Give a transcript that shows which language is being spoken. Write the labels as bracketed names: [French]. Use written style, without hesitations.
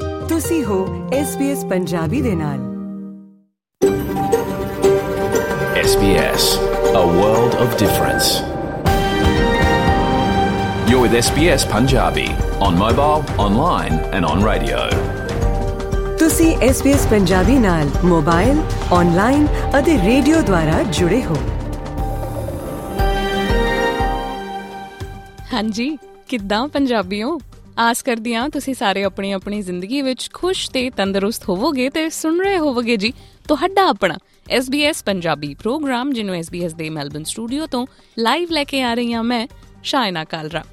[Punjabi] ਤੁਸੀਂ ਹੋ SBS ਪੰਜਾਬੀ ਦੇ ਨਾਲ। [English] SBS, a world of difference. You're with SBS Punjabi on mobile, online and on radio. [Punjabi] ਤੁਸੀਂ SBS Punjabi ਨਾਲ ਮੋਬਾਈਲ, ਆਨਲਾਈਨ ਅਤੇ ਰੇਡੀਓ ਦੁਆਰਾ ਜੁੜੇ ਹੋ। ਹਾਂਜੀ, ਕਿੱਦਾਂ ਪੰਜਾਬੀਓ? ਆਸ ਕਰਦੀ ਹਾਂ ਤੁਸੀਂ ਸਾਰੇ ਆਪਣੀ ਆਪਣੀ ਜ਼ਿੰਦਗੀ ਵਿੱਚ ਖੁਸ਼ ਤੇ ਤੰਦਰੁਸਤ ਹੋਵੋਗੇ ਤੇ ਸੁਣ ਰਹੇ ਹੋਵੋਗੇ ਜੀ ਤੁਹਾਡਾ ਆਪਣਾ SBS ਪੰਜਾਬੀ ਪ੍ਰੋਗਰਾਮ, ਜਿਹਨੂੰ SBS ਦੇ ਮੈਲਬਨ ਸਟੂਡੀਓ ਤੋਂ ਲਾਈਵ ਲੈ ਕੇ ਆ ਰਹੀ ਹਾਂ ਮੈਂ ਸ਼ਾਇਨਾ ਕਾਲਰਾ।